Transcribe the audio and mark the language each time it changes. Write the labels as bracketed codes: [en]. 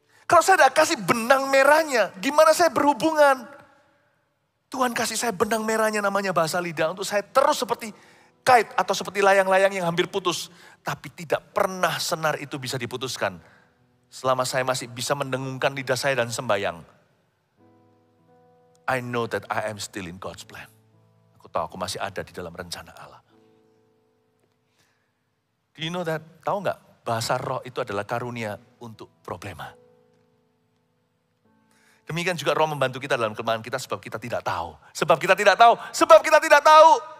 [id] Kalau saya gak kasih benang merahnya, gimana saya berhubungan? Tuhan kasih saya benang merahnya namanya bahasa lidah untuk saya terus seperti kait atau seperti layang-layang yang hampir putus. Tapi tidak pernah senar itu bisa diputuskan. Selama saya masih bisa mendengungkan lidah saya dan sembahyang. [en] I know that I am still in God's plan. [id] Aku tahu aku masih ada di dalam rencana Allah. [en] Do you know that? [id] Tahu gak? Bahasa roh itu adalah karunia untuk problema. Demikian juga roh membantu kita dalam kelemahan kita sebab kita tidak tahu. Sebab kita tidak tahu.